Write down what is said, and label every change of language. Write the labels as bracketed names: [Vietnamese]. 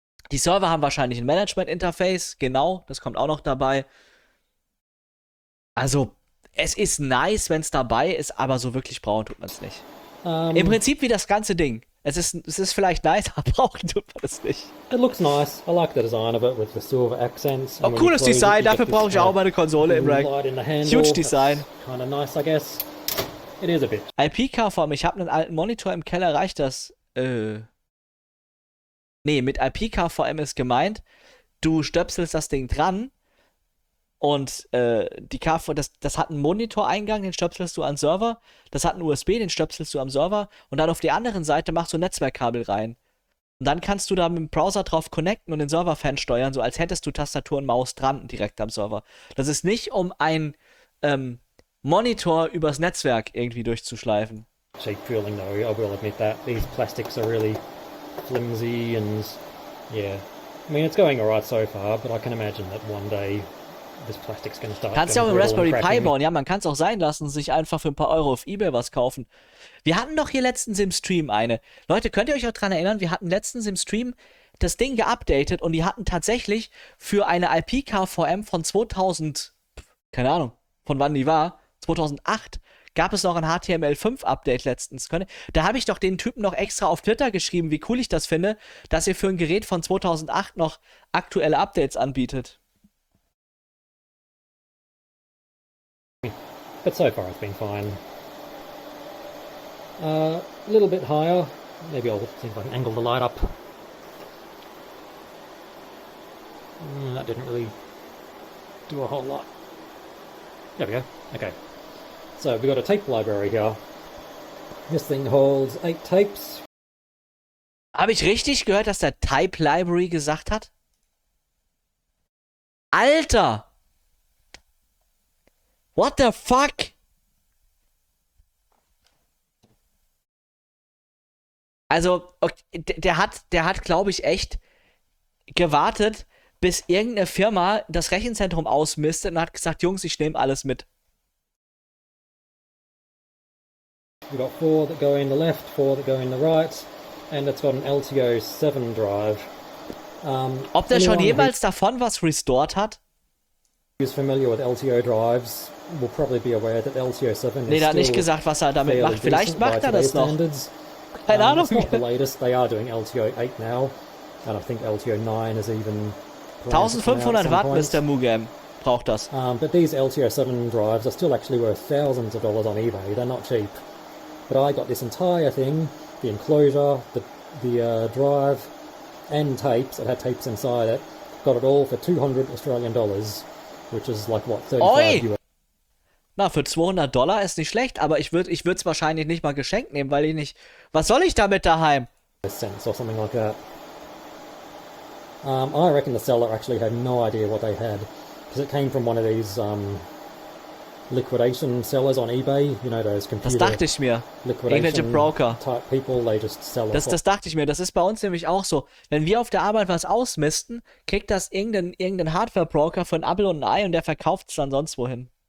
[German] Die Server haben wahrscheinlich ein Management-Interface, genau, das kommt auch noch dabei. Also, es ist nice, wenn es dabei ist, aber so wirklich brauchen tut man es nicht. Im Prinzip wie das ganze Ding. Es ist vielleicht nice, aber brauchen tut man es nicht. [English] It looks nice. I like the design of it with the silver accents. Oh, really cooles Design. [German] Dafür brauche ich auch meine Konsole im Rack. [English] Huge Design. Kind of nice, I guess. It is a bit. [German] IP-KVM. Ich habe einen alten Monitor im Keller. Reicht das? Nee, mit IP-KVM ist gemeint, du stöpselst das Ding dran. Und die KV, das hat einen Monitoreingang, den stöpselst du an den Server. Das hat einen USB, den stöpselst du am Server. Und dann auf der anderen Seite machst du ein Netzwerkkabel rein. Und dann kannst du da mit dem Browser drauf connecten und den Serverfan steuern, so als hättest du Tastatur und Maus dran direkt am Server. Das ist nicht, um einen Monitor übers Netzwerk irgendwie durchzuschleifen. [English] Cheap feeling though, I will admit that. These plastics are really flimsy and yeah. I mean, it's going alright so far, but I can imagine that one day... This plastic's gonna start. [German] Kannst du auch mit Raspberry Pi bauen, ja, man kann es auch sein lassen, sich einfach für ein paar Euro auf eBay was kaufen. Wir hatten doch hier letztens im Stream eine. Leute, könnt ihr euch auch dran erinnern, wir hatten letztens im Stream das Ding geupdatet und die hatten tatsächlich für eine IP-KVM von 2000, keine Ahnung, von wann die war, 2008, gab es noch ein HTML5-Update letztens. Da habe ich doch den Typen noch extra auf Twitter geschrieben, wie cool ich das finde, dass ihr für ein Gerät von 2008 noch aktuelle Updates anbietet. [English] But so far it's been fine. A little bit higher. Maybe I'll see if I can angle the light up. That didn't really do a whole lot. There we go. Okay. So we've got a tape library here. This thing holds 8 tapes. [German] Habe ich richtig gehört, dass der Tape Library gesagt hat? Alter! [English] What the fuck? [German] Also, der hat glaube ich, echt gewartet, bis irgendeine Firma das Rechenzentrum ausmistet und hat gesagt, Jungs, ich nehme alles mit. [English] We've got 4 that go in the left, 4 that go in the right, and it's got an LTO 7 drive. [German] Ob der schon jemals davon was restored hat? [English] Who's familiar with LTO drives will probably be aware that LTO 7 [German] nee, is still nicht gesagt, was er damit macht. Vielleicht macht er das noch. Standards. Keine Ahnung. [English] It's not the latest. They are doing LTO 8 now. And I think LTO 9 is even... [German] 1500 Watt, Mr. Mugam, braucht das. [English] But these LTO 7 drives are still actually worth thousands of dollars on eBay. They're not cheap. But I got this entire thing, the enclosure, the drive, and tapes. It had tapes inside it. Got it all for 200 Australian dollars, which is like, what, 35 US. [German] Na, für 200 Dollar ist nicht schlecht, aber ich würde es wahrscheinlich nicht mal geschenkt nehmen, weil ich nicht... Was soll ich damit daheim? [English] ...or something like that. I reckon the seller actually had no idea what they had, because it came from one of these liquidation sellers on eBay, you know, those computer... [German] Das dachte ich mir. [English] ...liquidation Broker. Type people, they just sell... [German] Das dachte ich mir, das ist bei uns nämlich auch so. Wenn wir auf der Arbeit was ausmisten, kriegt das irgendein Hardware-Broker für ein Apple und ein Ei und der verkauft es dann sonst wohin.